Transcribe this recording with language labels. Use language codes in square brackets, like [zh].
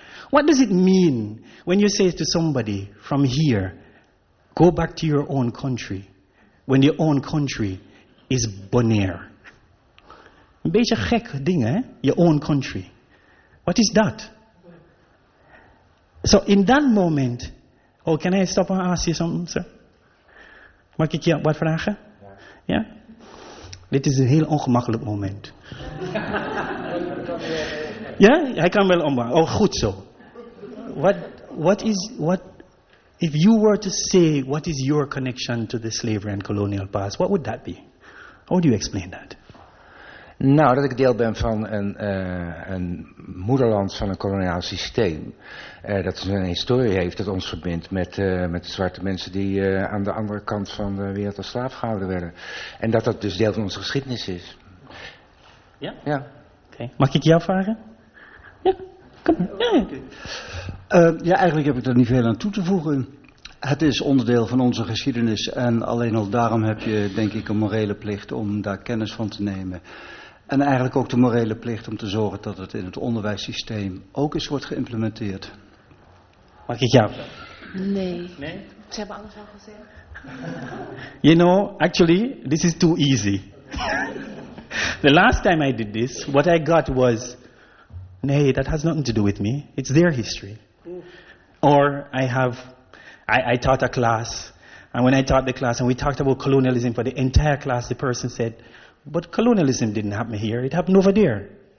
[en] What does it mean when you say to somebody from here, go back to your own country, when your own country is Bonaire? [nl] Een beetje gek ding, hè? [en] Your own country. What is that? So in that moment... Oh, can I stop and ask you something, sir? [nl] Mag ik je wat vragen? Ja? Yeah? Dit is een heel ongemakkelijk moment. Ja? Yeah? Hij kan wel omgaan. Oh, goed zo. [en] What is... If you were to say, what is your connection to the slavery and colonial past, what would that be? How do you explain that? [nl] Nou, dat ik deel ben van een moederland van een koloniaal systeem. Dat een historie heeft dat ons verbindt met de zwarte mensen die aan de andere kant van de wereld als slaaf gehouden werden. En dat dat dus deel van onze geschiedenis is. Ja? Ja. Oké. Mag ik jou vragen? Ja, kom. Ja. Ja, eigenlijk heb ik er niet veel aan toe te voegen. Het is onderdeel van onze geschiedenis en alleen al daarom heb je, denk ik, een morele plicht om daar kennis van te nemen. En eigenlijk ook de morele plicht om te zorgen dat het in het onderwijssysteem ook eens wordt geïmplementeerd. Mag ik jou? Nee. Nee? Ze hebben alles al gezegd. [en] You know, actually, this is too easy. The last time I did this, what I got was, nee, that has nothing to do with me. It's their history. Or I taught a class, and when I taught the class and we talked about colonialism for the entire class, the person said, but colonialism didn't happen here, it happened over there.